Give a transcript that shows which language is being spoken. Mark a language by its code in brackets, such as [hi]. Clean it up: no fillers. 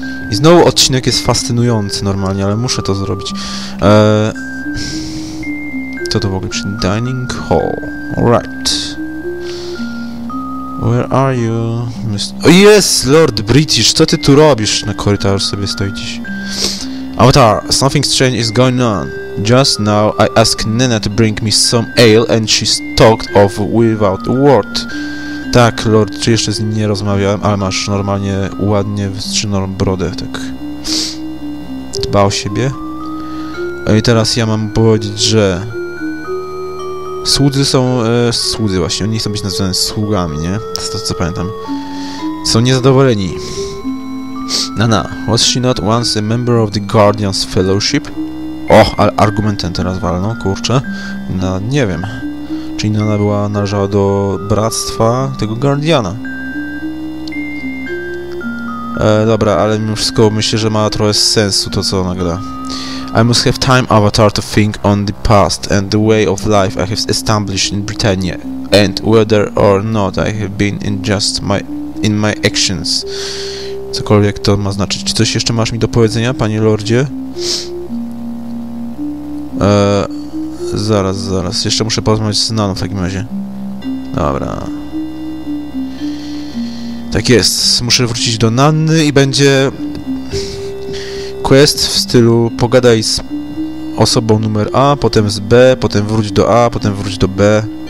[pl] I znowu odcinek jest fascynujący normalnie, ale muszę to zrobić. Co to w ogóle przy dining hall? [en] Alright. Where are you, Mr... [pl] O, jest! Lord British! Co ty tu robisz? Na korytarzu sobie stoi dziś. [en] Avatar, something strange is going on. Just now I asked Nina to bring me some ale and she talked off without a word. [pl] Tak, Lord, czy jeszcze z nim nie rozmawiałem, ale masz normalnie ładnie wystrzyną brodę, tak. Dba o siebie. I teraz ja mam powiedzieć, że... Słudzy są... słudzy właśnie, oni chcą być nazywani sługami, nie? To co pamiętam. Są niezadowoleni. [en] Nana, was she not once a member of the Guardian's Fellowship? [pl] Och, ale argumentem teraz walną, kurczę. No, nie wiem. Czyli ona była należała do bractwa tego Guardiana. Dobra, ale mimo wszystko myślę, że ma trochę sensu to, co ona gada. [en] I must have time, Avatar, to think on the past and the way of life I have established in Britannia and whether or not I have been in just my in my actions. [pl] Cokolwiek to ma znaczyć. Czy coś jeszcze masz mi do powiedzenia, panie lordzie? Zaraz. Jeszcze muszę porozmawiać z Nano w takim razie. Dobra. Tak jest. Muszę wrócić do Nanny i będzie... quest w stylu pogadaj z osobą numer A, potem z B, potem wróć do A, potem wróć do B.